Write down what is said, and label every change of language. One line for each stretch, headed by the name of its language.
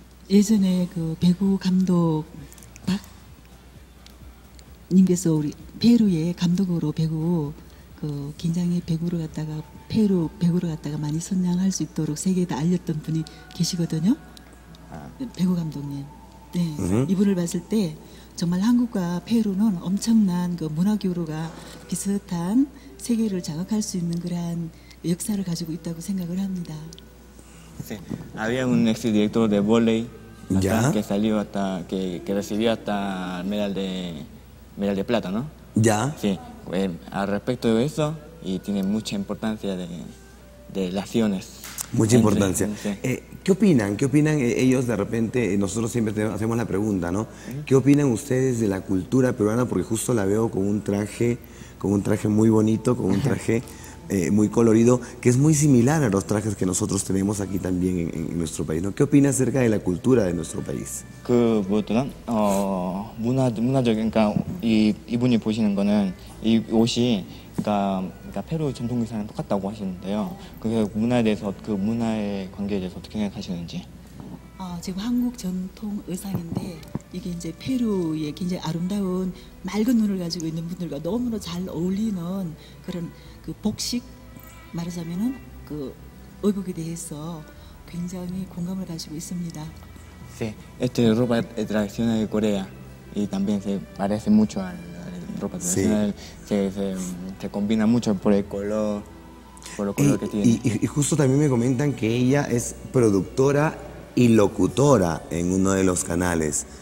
Korean: 예전에 그 배구 감독 박님께서 우리 페루의 감독으로 배구 그 굉장히 배구를 갖다가 페루 배구를 갖다가 많이 선양할 수 있도록 세계에다 알렸던 분이 계시거든요. 배구 감독님. 네. 이분을 봤을 때 정말 한국과 페루는 엄청난 그 문화 교류가 비슷한 세계를 장악할 수 있는 그러한 역사를 가지고 있다고 생각을 합니다.
Spanish: Sí, había un ex director de volei que salió hasta que recibió hasta medal de plata, ¿no? Ya. Sí. Al respecto de eso y tiene mucha importancia de las acciones. Mucha importancia. ¿Qué opinan? ¿Qué opinan ellos de repente? Nosotros siempre hacemos la pregunta, ¿no? ¿Qué opinan ustedes de la cultura peruana? Porque justo la veo con un traje muy bonito, con un traje muy colorido, que es muy similar a los trajes que nosotros tenemos aquí también en nuestro país, ¿no? ¿Qué opinas acerca de la cultura de nuestro país? Que, bueno,
Korean: 문화적인가 이분이 보시는 거는 이 옷이 그러니까 페루 전통 의상이 똑같다고 하시는데요. 그게 문화에 대해서 그 문화의 관계에 대해서 어떻게 생각하시는지? 지금 한국 전통 의상인데 이게 이제 페루의 굉장히 아름다운 맑은 눈을 가지고 있는 분들과 너무나 잘 어울리는 그런 그 복식 말하자면은 그 의복에 대해서 굉장히 공감을 가지고 있습니다.
Spanish: Sí, este ropa tradicional de Corea y también se parece mucho al ropa tradicional. Sí. Se combina mucho por el color, que tiene. Y justo también me comentan que ella es productora y locutora en uno de los canales.